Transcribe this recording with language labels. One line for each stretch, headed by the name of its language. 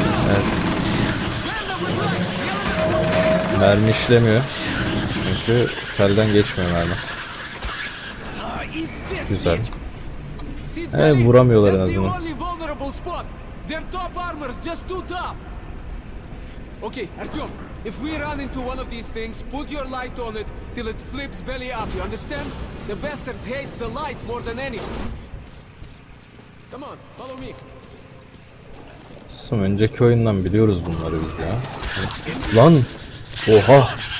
Turkish: Evet. Mermi işlemiyor. Çünkü telden geçmiyor mermi. Güzel. Evet, vuramıyorlar en azından.
English: Their top armor's just too tough. Okay, Artyom, if we run into one of these things, put your light on it till it flips belly up. You understand? The bastards hate the light more than anything. Come on, follow me.
Turkish: Son önceki oyundan biliyoruz bunları biz ya. Lan! Oha!